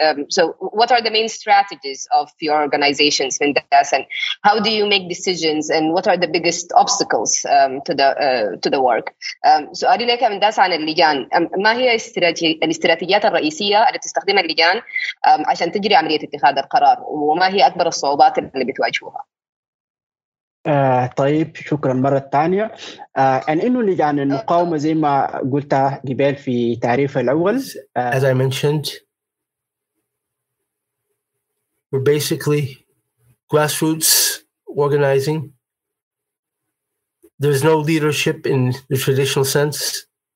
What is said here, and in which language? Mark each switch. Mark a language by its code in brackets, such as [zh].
[en] So what are the main strategies of your organizations, Mindas, and how do you make decisions, and what are the biggest obstacles to the work? [ar] سؤالك يا مندس عن اللجان, ما هي الاستراتيجيات الرئيسية التي تستخدمها اللجان عشان تجري عملية اتخاذ القرار, وما هي أكبر الصعوبات اللي بتواجهوها؟ طيب شكرا مرة تانية. إنه لجان المقاومة زي ما قلت قبل في تعريف الأول, [en] as I mentioned, we're basically grassroots organizing. There's no leadership in the traditional sense.